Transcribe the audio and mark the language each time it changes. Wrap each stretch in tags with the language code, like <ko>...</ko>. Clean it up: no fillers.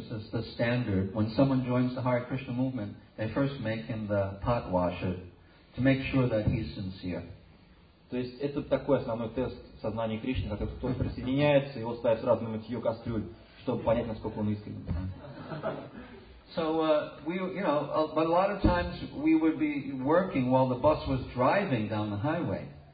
<en>This is the standard. When someone joins the Hare Krishna movement, they first make him the pot washer to make sure that he's sincere.</en> <ru>То есть это такой основной тест сознания Кришны, когда кто-то присоединяется, его ставят сразу на мытье кастрюль, чтобы понять, насколько он искренен.</ru> <en>So we, you know, but a lot of times we would be working while the bus was driving down the highway.</en>